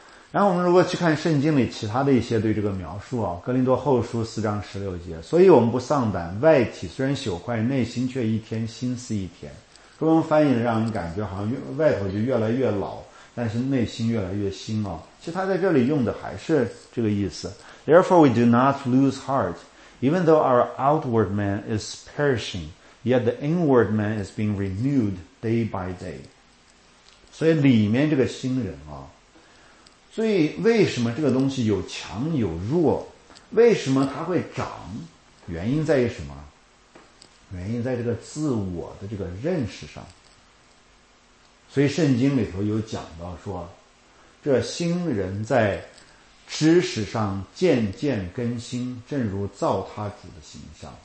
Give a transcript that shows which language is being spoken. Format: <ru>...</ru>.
<zh>然后我们如果去看圣经里其他的一些对这个描述啊，哥林多后书四章十六节，所以我们不丧胆，外体虽然朽坏，内心却一天新似一天。中文翻译的让人感觉好像外头就越来越老，但是内心越来越新啊。其实他在这里用的还是这个意思。</zh> <en>Therefore we do not lose heart, even though our outward man is perishing, yet the inward man is being renewed day by day.</en> <zh>所以里面这个新人啊，所以为什么这个东西有强有弱，为什么它会长，原因在于什么？原因在这个自我的这个认识上。所以圣经里头有讲到说，这新人在知识上渐渐更新，正如造他主的形象。</zh>